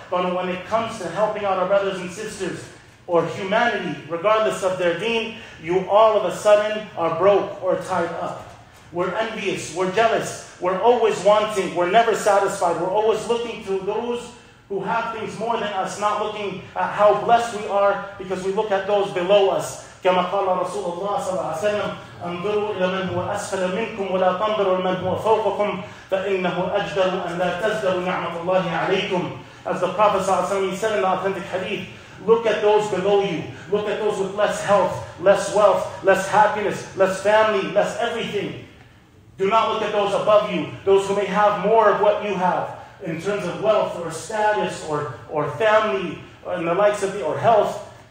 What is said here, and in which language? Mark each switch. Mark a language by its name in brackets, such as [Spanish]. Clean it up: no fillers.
[English] But when it comes to helping out our brothers and sisters, or humanity, regardless of their deen, you all of a sudden are broke or tied up. We're envious, we're jealous, we're always wanting, we're never satisfied, we're always looking to those who have things more than us, not looking at how blessed we are, because we look at those below us. [Arabic] كما قال رسول الله صلى الله عليه وسلم انظروا إلى من هو أسفل منكم ولا تنظروا لمن هو فوقكم فإنه أجدر أن لا تزدروا نعمة الله عليكم. [English] As the Prophet صلى الله عليه وسلم said in the authentic hadith, look at those below you, look at those with less health, less wealth, less happiness, less family, less everything. Do not look at those above you, those who may have more of what you have in terms of wealth or status or family and the likes of the, or health.